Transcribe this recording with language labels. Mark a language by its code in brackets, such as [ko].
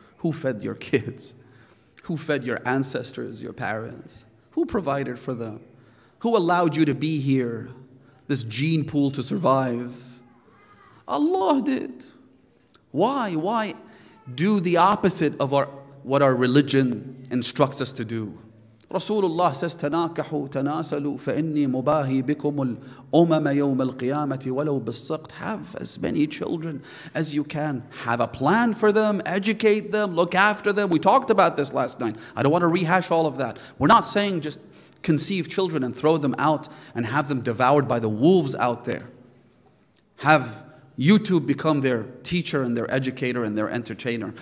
[en] Who fed your kids? Who fed your ancestors, your parents? Who provided for them? Who allowed you to be here, this gene pool to survive? Allah did. Why do the opposite of what our religion instructs us to do? Rasulullah says, [ar] تَنَاكَحُوا تَنَاسَلُوا فَإِنِّي مُبَاهِي بِكُمُ الْأُمَمَ يَوْمَ الْقِيَامَةِ وَلَوْ بِالصَّقْتِ. [en] Have as many children as you can. Have a plan for them, educate them, look after them. We talked about this last night. I don't want to rehash all of that. We're not saying just conceive children and throw them out and have them devoured by the wolves out there. Have YouTube become their teacher and their educator and their entertainer.